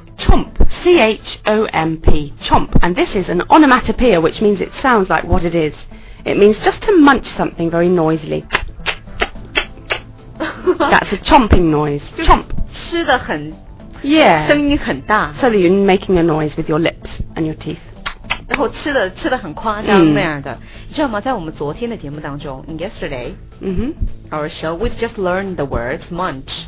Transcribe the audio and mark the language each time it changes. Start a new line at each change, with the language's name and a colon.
English: Chomp C-H-O-M-P Chomp And this is an onomatopoeia which means it sounds like what it is It means just to munch something very noisilyThat's a chomping noise. Chomp.
Chinese: 吃得很
English: Yeah.
Chinese: 声音很大
English: So that you're making a noise with your lips and your teeth.
Chinese: 然后吃得很夸张、mm. 那样的。你知道吗在我们昨天的节目当中
English: in yesterday,、 mm-hmm. our show, we've just learned the words munch.